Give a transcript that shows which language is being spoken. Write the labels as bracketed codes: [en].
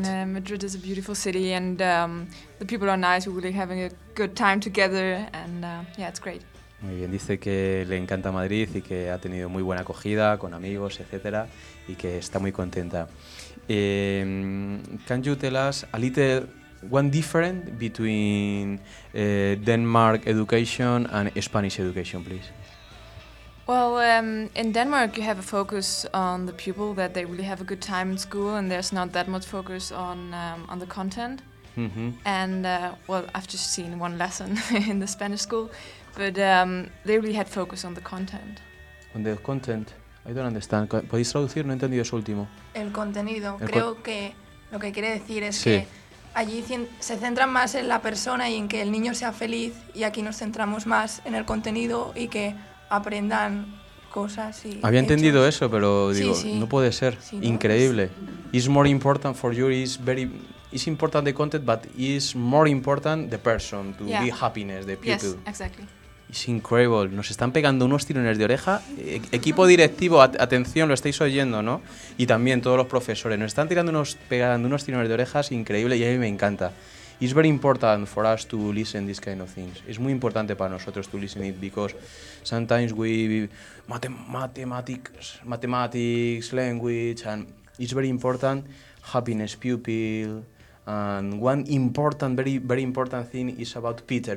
[en] I mean, Madrid is a beautiful city and the people are nice. We're really having a good time together and yeah, it's great. [es] Muy bien, dice que le encanta Madrid y que ha tenido muy buena acogida con amigos, etcétera, y que está muy contenta. [en] Can you tell us a little one different between Denmark education and Spanish education, please? Well, in Denmark you have a focus on the pupil, that they really have a good time in school and there's not that much focus on the content. Mm-hmm. And, well, I've just seen one lesson in the Spanish school, but they really had focus on the content. On the content? I don't understand. [es] ¿Podéis traducir? No he entendido eso último. El contenido. Creo que lo que quiere decir es que allí se centran más en la persona y en que el niño sea feliz y aquí nos centramos más en el contenido y que aprendan cosas y había entendido eso, pero digo, no puede ser, increíble. [en] It's more important for you, it's important the content, but it's more important the person, to be happiness, the people. Yes, exactly. It's incredible, [es] nos están pegando unos tirones de oreja. Equipo directivo, atención, lo estáis oyendo, ¿no? Y también todos los profesores, nos están pegando unos tirones de orejas, increíble, y a mí me encanta. [en] It's very important for us to listen this kind of things. [es] Es muy importante para nosotros [en] to listen it because sometimes we mathematics, language, and it's very important happiness, pupil. And one important, very, very important thing is about Peter.